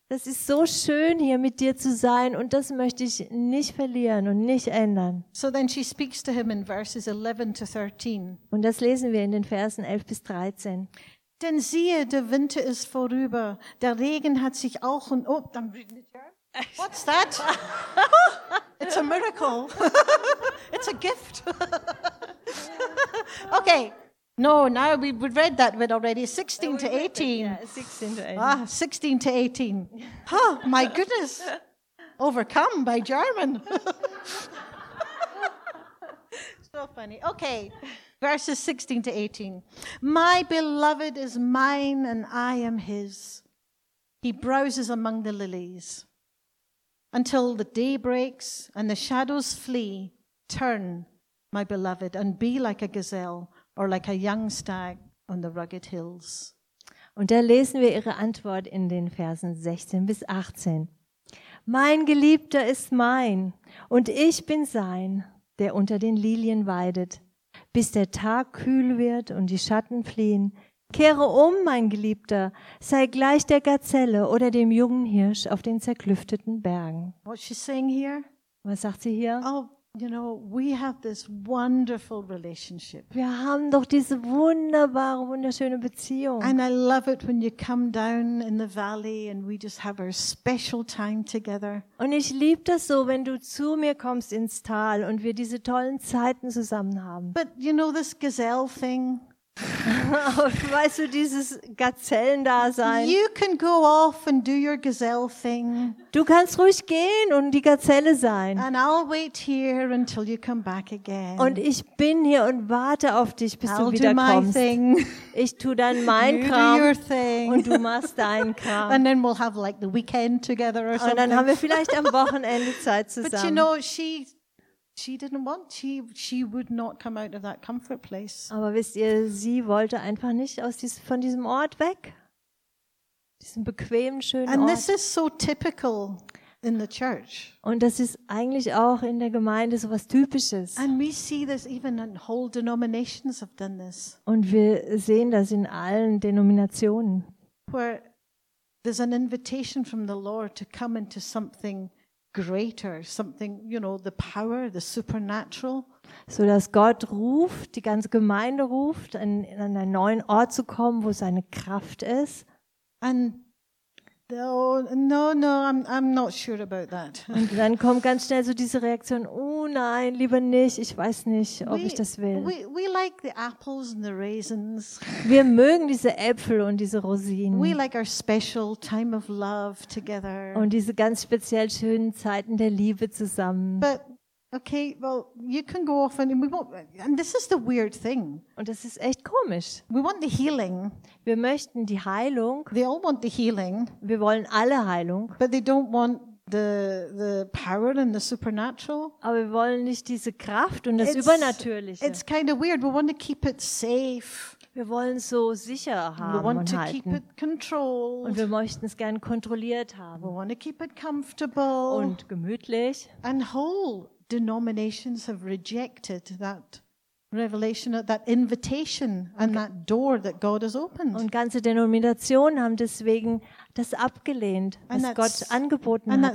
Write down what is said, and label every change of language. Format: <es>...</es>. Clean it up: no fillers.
<de>Das ist so schön hier mit dir zu sein und das möchte ich nicht verlieren und nicht ändern.</de> <en>So then she speaks to him in verses 11 to 13.</en> <de>Und das lesen wir in den Versen 11 bis 13. Denn siehe, der Winter ist vorüber. Der Regen hat sich auch und oh, dann bringt die Tür.</de> <en>What's that? It's a miracle. It's a gift. Okay. No, now we read that one already. 16 to 18. Yeah, 16 to 18. Ah, 16 to 18. Oh, my goodness. Overcome by German. So funny. Okay. Verses 16 to 18. My beloved is mine and I am his. He browses among the lilies. Until the day breaks and the shadows flee, turn, my beloved, and be like a gazelle or like a young stag on the rugged hills.</en> <de>Und da lesen wir ihre Antwort in den Versen 16 bis 18. Mein Geliebter ist mein, und ich bin sein, der unter den Lilien weidet. Bis der Tag kühl wird und die Schatten fliehen, kehre um, mein Geliebter, sei gleich der Gazelle oder dem jungen Hirsch auf den zerklüfteten Bergen.</de> <en>What's she saying here?</en> <de>Was sagt sie hier?</de> <en>Oh, you know, we have this wonderful relationship.</en> <de>Wir haben doch diese wunderbare, wunderschöne Beziehung.</de> <en>And I love it when you come down in the valley and we just have our special time together.</en> <de>Und ich liebe das so, wenn du zu mir kommst ins Tal und wir diese tollen Zeiten zusammen haben.</de> <en>But you know this gazelle thing?</en> <de>Weißt du, dieses Gazellendasein?</de> <en>You can go off and do your gazelle thing.</en> <de>Du kannst ruhig gehen und die Gazelle sein.</de> <en>And I'll wait here until you come back again.</en> <de>Und ich bin hier und warte auf dich, bis</de> <en>I'll</en> <de>du wiederkommst.</de> <en>I'll do my thing.</en> <de>Ich tue dann mein</de> <en>you</en> <de>Kram.</de> <en>Do your thing.</en> <de>Und du machst deinen Kram.</de> <en>And then we'll have like the weekend together or</en> <de>und</de> <en>something.</en> <de>Und dann haben wir vielleicht am Wochenende Zeit zusammen.</de> <en>But you know, she didn't want she would not come out of that comfort place.</en> <de>Aber wisst ihr, sie wollte einfach nicht aus von diesem Ort weg. Diesen bequemen schönen Ort.</de> <en>And this is so typical in the church.</en> <de>Und das ist eigentlich auch in der Gemeinde sowas typisches.</de> <en>And we see this even in whole denominations have done this.</en> <de>Und wir sehen das in allen Denominationen.</de> <en>Where there's an invitation from the Lord to come into something greater, something, you know, the power, the supernatural.</en> <de>So dass Gott ruft, die ganze Gemeinde ruft, an einen neuen Ort zu kommen, wo seine Kraft ist.</de> <en>And I'm not sure about that.</en> <de>Und dann kommt ganz schnell so diese Reaktion, oh nein, lieber nicht, ich weiß nicht, ob ich das will.</de> <en>We like the apples and the raisins.</en> <de>Wir mögen diese Äpfel und diese Rosinen.</de> <en>We like our special time of love together.</en> <de>Und diese ganz speziell schönen Zeiten der Liebe zusammen.</de> <en>But okay, well, you can go off and we won't, and this is the weird thing.</en> <de>Und das ist echt komisch.</de> <en>We want the healing.</en> <de>Wir möchten die Heilung.</de> <en>They all want the healing.</en> <de>Wir wollen alle Heilung.</de> <en>But they don't want the power and the supernatural.</en> <de>Aber wir wollen nicht diese Kraft und das Übernatürliche.</de> <en>It's kind of weird. We want to keep it safe.</en> <de>Wir wollen so sicher haben</de> <en>we want</en> <de>und</de> <en>to</en> <de>halten.</de> <en>Keep it controlled.</en> <de>Und wir möchten es gern kontrolliert haben.</de> <en>We want to keep it comfortable.</en> <de>Und gemütlich.</de> <en>And whole denominations have rejected that revelation, that invitation and that door that God has opened.</en> <de>Und ganze Denominationen haben deswegen das abgelehnt, was Gott angeboten hat an</de>